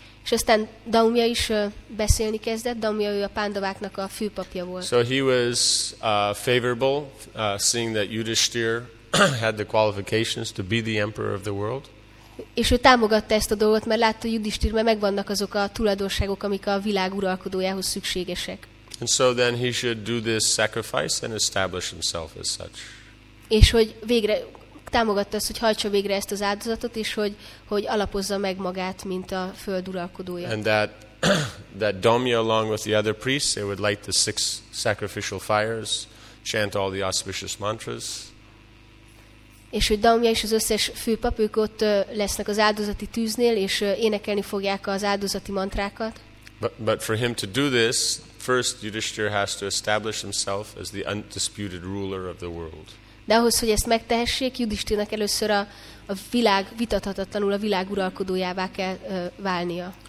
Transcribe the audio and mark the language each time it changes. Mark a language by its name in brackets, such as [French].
[Hungarian] És aztán Daumya is beszélni kezdett. Daumya ő a Pándováknak a főpapja volt. [English] So he was favorable, seeing that Yudhishthir had the qualifications to be the emperor of the world. [Hungarian] És ő támogatta ezt a dolgot, mert látta, hogy Yudhishthirben megvannak azok a tulajdonságok, amik a világ uralkodójához szükségesek. [English] And so then he should do this sacrifice and establish himself as such. [Hungarian] És hogy végre támogatta azt, hogy hajtsa végre ezt az áldozatot, és hogy alapozza meg magát, mint a föld uralkodója. [English] And that Daumya, along with the other priests, they would light the 6 sacrificial fires, chant all the auspicious mantras. [Hungarian] És hogy Daumya és az összes főpapok ott lesznek az áldozati tűznél, és énekelni fogják az áldozati mantrákat. [English] But for him to do this, first Yudhishthir has to establish himself as the undisputed ruler of the world. [Hungarian] De ahhoz, hogy ezt megtehessék, Yudhishthirnek először a világ vitathatatlanul a világ uralkodójává kell válnia.